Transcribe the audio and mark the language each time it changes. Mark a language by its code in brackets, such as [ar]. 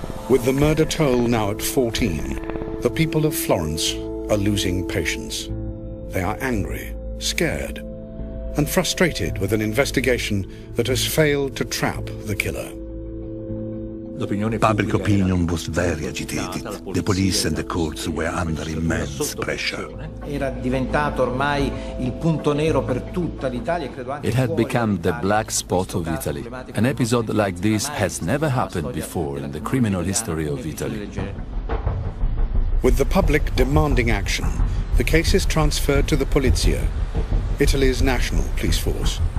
[en] With the murder toll now at 14, the people of Florence are losing patience. They are angry, scared, and frustrated with an investigation that has failed to trap the killer. Public opinion was very agitated. The police and the courts were under immense pressure. [it] Era diventato ormai il punto nero per tutta l'Italia. [en] It had become the black spot of Italy. An episode like this has never happened before in the criminal history of Italy. With the public demanding action, the case is transferred to the Polizia, Italy's national police force.